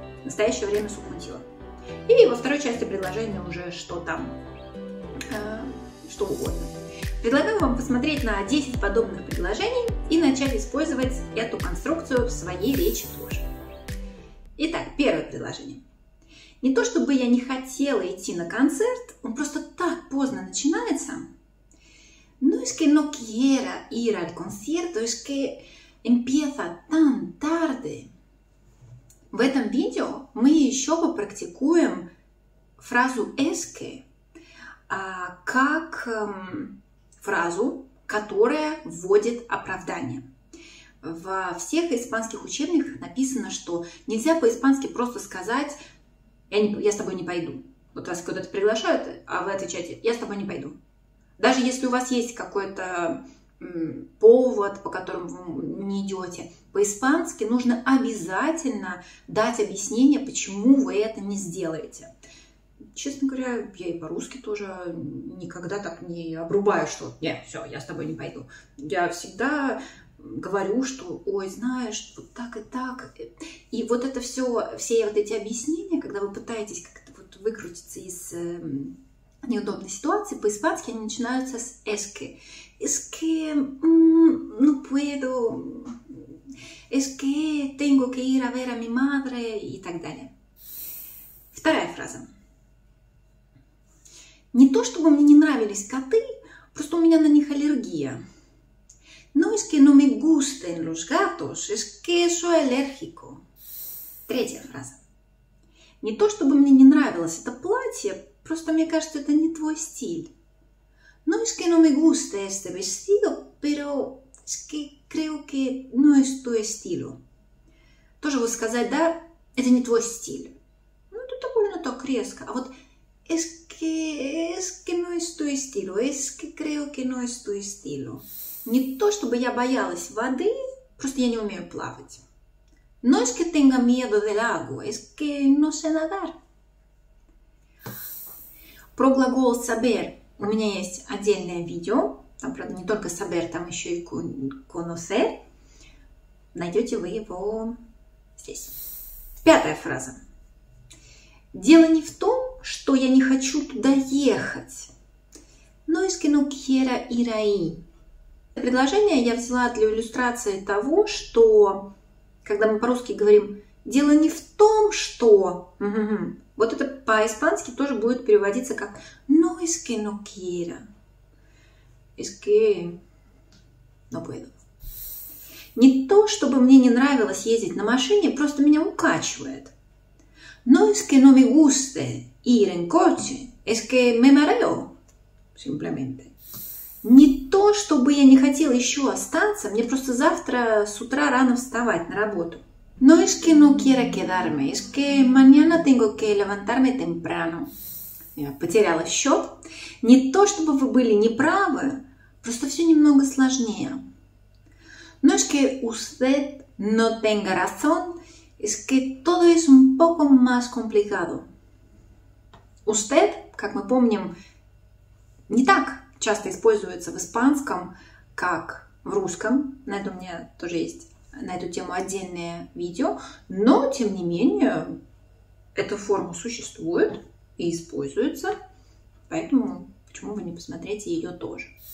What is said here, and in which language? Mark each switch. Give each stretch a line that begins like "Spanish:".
Russian: В настоящее время субхунтива. И во второй части предложения уже что там, что угодно. Предлагаю вам посмотреть на 10 подобных предложений и начать использовать эту конструкцию в своей речи тоже. Итак, первое предложение. Не то чтобы я не хотела идти на концерт, он просто так поздно начинается.
Spanish: No es que no quiera ir al concierto, es que empieza tan tarde.
Russian: В этом видео мы еще попрактикуем фразу «эске» как фразу, которая вводит оправдание. Во всех испанских учебниках написано, что нельзя по-испански просто сказать «я с тобой не пойду». Вот вас куда-то приглашают, а вы отвечаете «я с тобой не пойду». Даже если у вас есть какой-то повод, по которому вы не идете. По-испански нужно обязательно дать объяснение, почему вы это не сделаете. Честно говоря, я и по-русски тоже никогда так не обрубаю, что «нет, все, я с тобой не пойду». Я всегда говорю, что «ой, знаешь, вот так и так». И вот это все, все вот эти объяснения, когда вы пытаетесь как-то вот выкрутиться из неудобной ситуации, по-испански они начинаются с
Spanish: «es que». «Es que no puedo», «es que tengo que ir a ver a mi madre»
Russian: и так далее. Вторая фраза. Не то чтобы мне не нравились коты, просто у меня на них аллергия.
Spanish: «No es que no me gusten los gatos, es que soy alérgico».
Russian: Третья фраза. Не то чтобы мне не нравилось это платье, просто мне кажется, это не твой стиль.
Spanish: No es que no me guste este vestido, pero es que creo que no es tu estilo.
Russian: Тоже вот сказать, да, это не твой стиль. Ну, тут довольно так резко. А вот
Spanish: es que no es tu estilo, es que creo que no es tu estilo.
Russian: Не то, чтобы я боялась воды, просто я не умею плавать.
Spanish: No es que tenga miedo del agua, es que no sé nadar.
Russian: Про глагол saber. У меня есть отдельное видео, там, правда, не только saber, там еще и conocer. Найдете вы его здесь. Пятая фраза. Дело не в том, что я не хочу туда ехать.
Spanish: No es que no quiera ir ahí.
Russian: Это предложение я взяла для иллюстрации того, что, когда мы по-русски говорим, дело не в том, что... Вот это по-испански тоже будет переводиться как
Spanish: «no es que no quiera», «es que no puedo».
Russian: Не то, чтобы мне не нравилось ездить на машине, просто меня укачивает.
Spanish: «No es que no me guste ir en coche, es que me mareo», simplemente.
Russian: Не то, чтобы я не хотела еще остаться, мне просто завтра с утра рано вставать на работу.
Spanish: No es que no quiera quedarme, es que mañana tengo que levantarme temprano.
Russian: Я потеряла счет. Не то, чтобы вы были неправы, просто все немного сложнее.
Spanish: No es que usted no tenga razón, es que todo es un poco más complicado.
Russian: Usted, как мы помним, не так часто используется в испанском, как в русском. На этом у меня тоже есть на эту тему отдельное видео, но, тем не менее, эта форма существует и используется, поэтому почему бы не посмотреть ее тоже.